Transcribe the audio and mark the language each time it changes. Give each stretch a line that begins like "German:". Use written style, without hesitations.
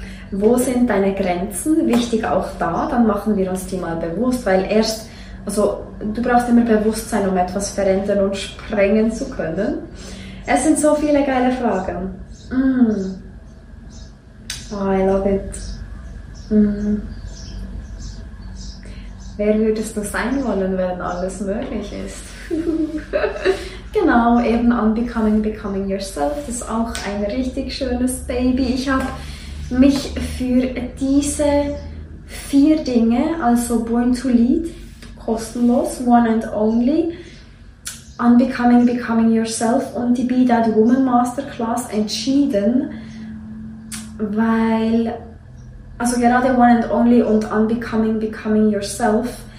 German: Wo sind deine Grenzen? Wichtig auch da, dann machen wir uns die mal bewusst, weil erst, also du brauchst immer Bewusstsein, um etwas verändern und sprengen zu können. Es sind so viele geile Fragen.
English: Oh, I love it.
German: Wer würdest du sein wollen, wenn alles möglich ist? Genau, eben Unbecoming, Becoming Yourself. Das ist auch ein richtig schönes Baby. Ich habe mich für diese 4 Dinge, also Born to Lead, kostenlos, One and Only, Unbecoming, Becoming Yourself und die Be That Woman Masterclass entschieden, weil, also gerade One and Only und Unbecoming, Becoming Yourself,